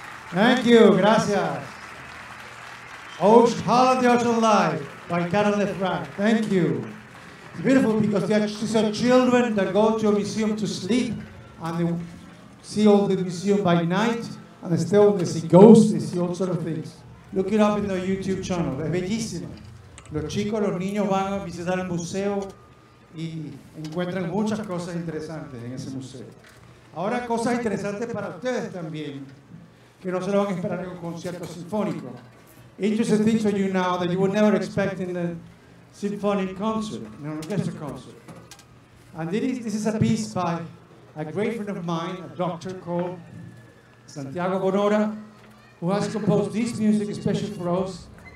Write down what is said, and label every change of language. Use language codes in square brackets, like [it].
[en] Thank you, gracias. Hall of the Ocean Life by Carol Lefranc. Thank you. It's beautiful because these are children that go to a museum to sleep and they see all the museum by night and they still they see ghosts, they see all sorts of things. Look it up in the YouTube channel. [es] Es bellísimo. Los chicos, los niños van a visitar el museo y encuentran muchas cosas interesantes en ese museo. Ahora cosas interesantes para ustedes también. Que no se lo van a esperar en un concierto sinfónico. [en] Interesting things for you now that you would never expect in a symphonic concert, in an orchestra concert. And this is a piece by a great friend of mine, a doctor called Santiago Bonora, who has composed this music especially for us.